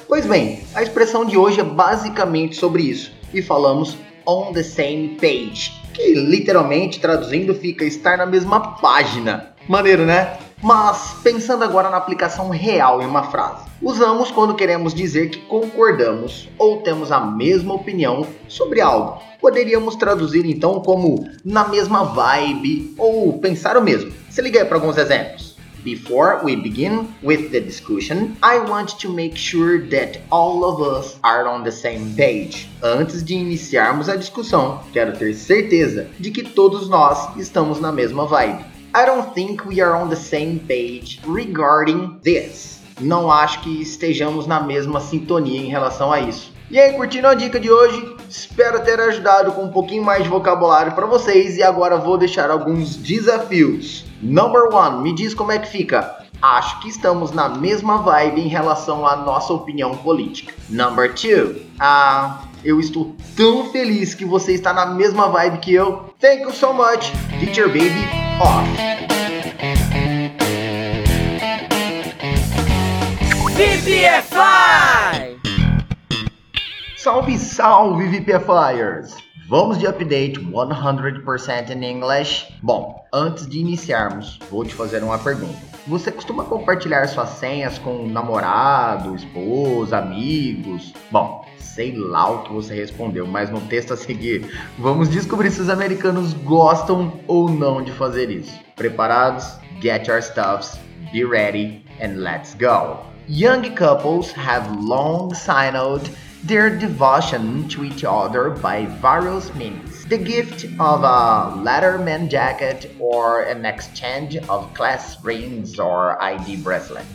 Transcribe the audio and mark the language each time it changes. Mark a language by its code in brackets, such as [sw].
[pt] Pois bem, a expressão de hoje é basicamente sobre isso, e falamos [en] on the same page, [pt] que literalmente traduzindo fica estar na mesma página. Maneiro, né? Mas pensando agora na aplicação real em uma frase, usamos quando queremos dizer que concordamos ou temos a mesma opinião sobre algo. Poderíamos traduzir então como na mesma vibe ou pensar o mesmo. Se liga aí para alguns exemplos. [en] Before we begin with the discussion, I want to make sure that all of us are on the same page. [pt] Antes de iniciarmos a discussão, quero ter certeza de que todos nós estamos na mesma vibe. [en] I don't think we are on the same page regarding this. [pt] Não acho que estejamos na mesma sintonia em relação a isso. E aí, curtindo a dica de hoje? Espero ter ajudado com um pouquinho mais de vocabulário para vocês e agora vou deixar alguns desafios. [en] Number one, [pt] me diz como é que fica. Acho que estamos na mesma vibe em relação à nossa opinião política. [en] Number two, [pt] eu estou tão feliz que você está na mesma vibe que eu. [en] Thank you so much Teacher Baby off. VPFI! [pt] Salve, salve, VPFIers! Vamos de update [en] 100% in English? [pt] Bom, antes de iniciarmos, vou te fazer uma pergunta. Você costuma compartilhar suas senhas com namorado, esposa, amigos? Bom, sei lá o que você respondeu, mas no texto a seguir, vamos descobrir se os americanos gostam ou não de fazer isso. Preparados? [en] Get your stuffs, be ready, and let's go! Young couples have long signaled their devotion to each other by various means. The gift of a letterman jacket or an exchange of class rings or ID bracelet.